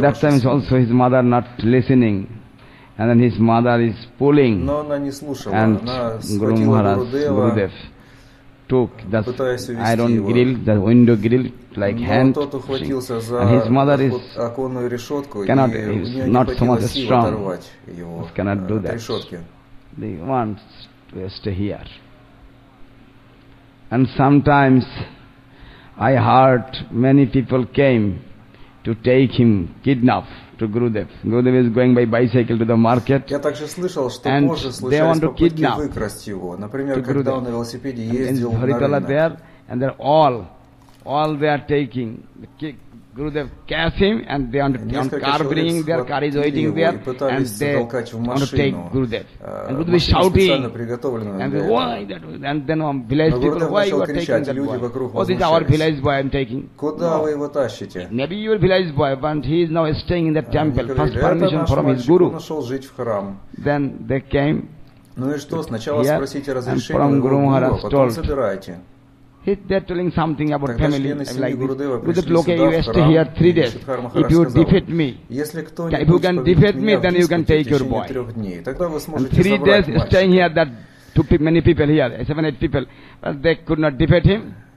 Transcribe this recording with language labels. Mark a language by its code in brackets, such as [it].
[en] that time is also his mother not listening. And then his mother is pulling, and Guru Maharaj, Gurudev, took the iron grill, the window grill, like hand, and his mother is not so much strong, cannot do that. They want to stay here. And sometimes I heard many people came to take him, kidnap. To Gurudev. Gurudev is going by bicycle to the market. [ru] Я также слышал, что позже случались попытки выкрасть его. Например, когда он на велосипеде ездил на рынок. [en] There, and they're all they are taking. Gurudev catch him and they want to car bringing their car is waiting there and they want to take Gurudev. And Gurudev is shouting. And why that? And then one village people, why you are taking that boy? Oh, this is our village boy I'm taking. [ru] Куда вы его тащите? [en] Maybe your village boy, but he is now staying in the temple. First permission from his guru. Then they came. [ru] Ну и что? Сначала спросите разрешение у Гуру, потом собирайте. [en] They're telling something about [ru] Тогда [en] family. I'm like, Gurudev, okay, you stay here 3 days. If you defeat me, if you can defeat me, then you can take your boy. And 3 days staying here, that too many people here, 7-8 people, but they could not defeat him.